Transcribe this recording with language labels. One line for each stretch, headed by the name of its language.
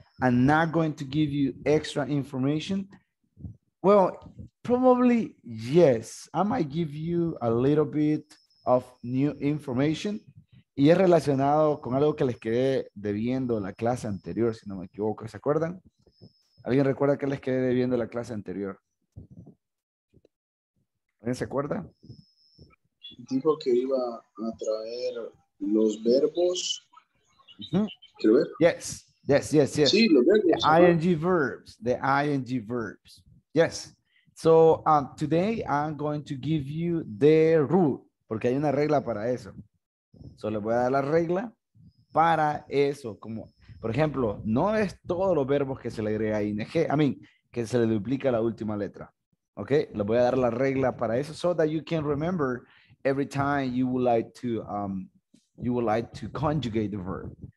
English: I'm not going to give you extra information. Well, probably yes. I might give you a little bit of new information.
Spanish: Y es relacionado con algo que les quedé debiendo la clase anterior, si no me equivoco, ¿se acuerdan? ¿Alguien recuerda que les quedé debiendo la clase anterior? ¿Alguien se acuerda? Dijo que iba a traer los verbos.
English: Uh-huh.
Spanish: ¿Quiero ver?
English: Yes, yes, yes, yes.
Spanish: Sí, los verbos.
English: The ING verbs. The ING verbs. Yes. So, today I'm going to give you the rule.
Spanish: Porque hay una regla para eso. So, les voy a dar la regla para eso. Como... Por ejemplo, no es todos los verbos que se le agrega ING,
English: I mean,
Spanish: que se le duplica la última letra.
English: Ok,
Spanish: le voy a dar la regla para eso,
English: so that you can remember every time you would like to conjugate the verb.